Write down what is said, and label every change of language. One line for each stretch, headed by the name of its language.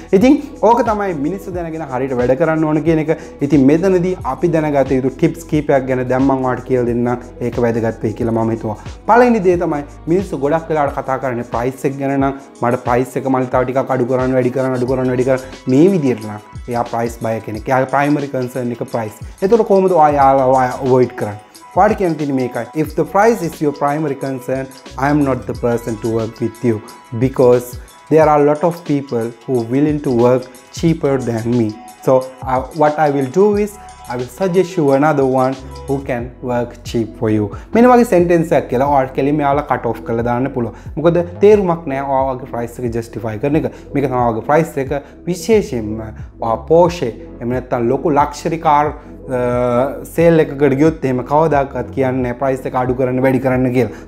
Sinhala: ඉතින් ඕක තමයි මිනිස්සු දැනගෙන හරියට වැඩ කරන්න ඕන කියන එක. ඉතින් මෙතනදී අපි දැනගත යුතු ටිප්ස් කීපයක් ගැන දැන් මම ඔයාලට කියලා දෙන්නම්. ඒක වැදගත් වෙයි කියලා මම හිතුවා. පළවෙනි දේ තමයි මිනිස්සු ගොඩක් වෙලාවට කතා කරන්නේ ප්‍රයිස් එක ගැන නම් මට ප්‍රයිස් එක මල් තව ටිකක් අඩු කරන්න වැඩි කරන්න අඩු කරන්න වැඩි කරන්න මේ විදිහට නම් එයා ප්‍රයිස් බය කෙනෙක්. එයාගේ ප්‍රයිමරි කන්සර්න් එක ප්‍රයිස්. එතකොට කොහොමද ඔයාලා අවොයිඩ් කරන්නේ?
English: What can I tell you is, if the price is your primary concern, I am not the person to work with you, because there are a lot of people who are willing to work cheaper than me. So what I will do is, I will suggest you another one who can work cheap for you.
Sinhala: මෙන්න වගේ sentence එකක් කියලා ඔයාලට කෙලින්ම යාලා cut off කරලා දාන්න පුළුවන්. මොකද තේරුමක් නැහැ ඔයාගේ price එක justify කරන එක. මේක තමයි ඔයාගේ price එක විශේෂයෙන්ම Porsche එහෙම නැත්නම් ලොකු luxury car සේල් එකකට ගියොත් එහෙම කවදාකවත් කියන්නේ නැහැ ප්‍රයිස් එක අඩු කරන්න වැඩි කරන්න කියලා.